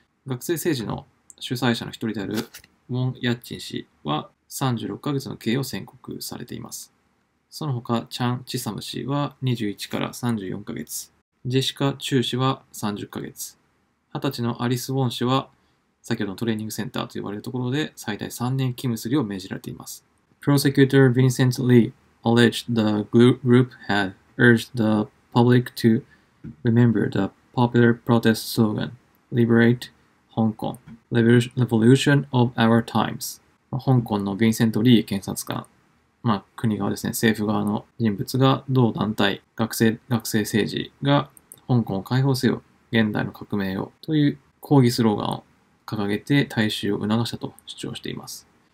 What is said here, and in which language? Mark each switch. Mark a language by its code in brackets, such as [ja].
[ja] 学生政治の主催者の一人であるウォン・ヤッチン氏は36ヶ月の刑を宣告されています。その他、チャン・チサム氏は21から34ヶ月、ジェシカ・チュー氏は30ヶ月、20歳のアリス・ウォン氏は先ほどのトレーニングセンターと呼ばれるところで最大3年勤務するよう命じられています。 [en] Prosecutor Vincent Lee alleged the group had urged the public to remember the popular protest slogan Liberate Hong Kong, Revolution of Our Times。 [ja] 香港のヴィンセント・リー検察官、国側ですね、政府側の人物が同団体、学生政治が香港を解放せよ、現代の革命をという抗議スローガンを掲げて大衆を促したと主張しています。